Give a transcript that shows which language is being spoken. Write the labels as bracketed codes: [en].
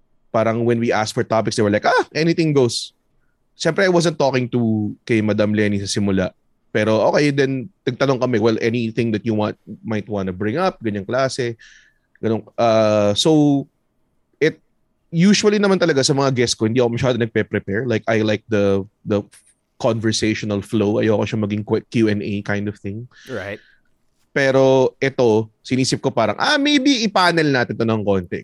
[en] Parang when we asked for topics, they were like, anything goes. [tl] Siyempre, [en] I wasn't talking to kay Madam Lenny [tl] sa simula. [en] Pero okay, then [tl] tagtanong kami, [en] well, anything that you might want to bring up, [tl] ganyang klase. Ganun. [en] So, it usually [tl] naman talaga sa mga guests ko, hindi ako masyado nagpe-prepare. [en] Like, I like the conversational flow. [tl] Ayoko siya maging Q&A [en] kind of thing. Right. [tl] Pero ito, sinisip ko parang, maybe i-panel natin ito ng konti.